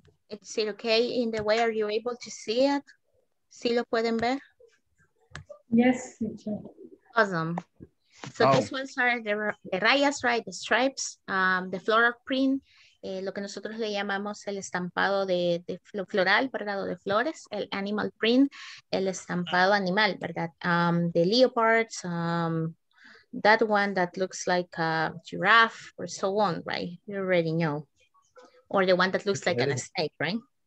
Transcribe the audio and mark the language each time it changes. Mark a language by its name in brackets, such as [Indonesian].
[English] Is it okay in the way? Are you able to see it? [Spanish] ¿Sí lo pueden ver? [English] Yes, awesome. So these ones are the rayas, right? The stripes, the floral print, [Spanish] lo que nosotros le llamamos el estampado de floral, ¿verdad? O de flores, el animal print, el estampado animal, ¿verdad? [English] De leopards, that one that looks like a giraffe or so on, right? You already know. Or the one that looks like a snake, right?